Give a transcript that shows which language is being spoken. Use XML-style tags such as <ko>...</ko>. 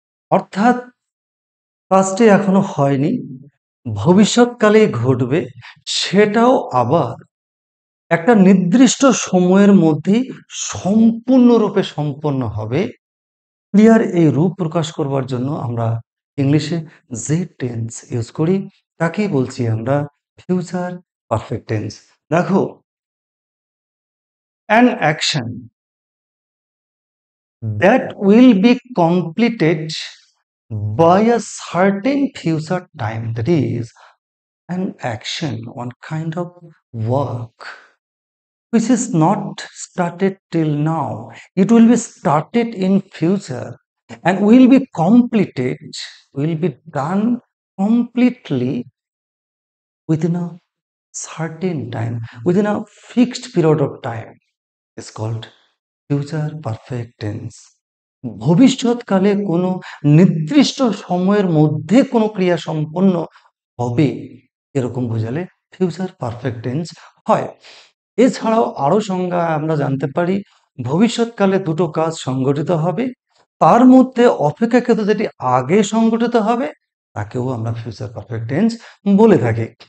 <bn>অর্থাৎ কাজটি এখনো হয়নি, ভবিষ্যৎকালে ঘটবে, সেটাও আবার একটা নির্দিষ্ট সময়ের মধ্যে সম্পূর্ণরূপে সম্পন্ন হবে। ক্রিয়ার এই রূপ প্রকাশ করবার জন্য আমরা ইংলিশে যে টেন্স ইউজ করি তাকেই বলছি আমরা ফিউচার পারফেক্ট টেন্স।</bn> <en>দেখো, an action that will be completed by a certain future time, that is an action, one kind of work which is not started till now, it will be started in future and will be completed, will be done completely within a certain time, within a fixed period of time, is called future perfect tense.</en> <bn>ভবিষ্যৎকালে কোনো নির্দিষ্ট সময়ের মধ্যে কোনো ক্রিয়া সম্পন্ন হবে, এরকম বোঝালে ফিউচার পারফেক্ট টেন্স হয়। এছাড়াও আরো সংজ্ঞা আমরা জানতে পারি, ভবিষ্যৎকালে দুটো কাজ সংগঠিত হবে, তার মধ্যে অপেক্ষাকৃত যেটি আগে সংগঠিত হবে তাকেও আমরা ফিউচার পারফেক্ট টেন্স বলে থাকি।</bn>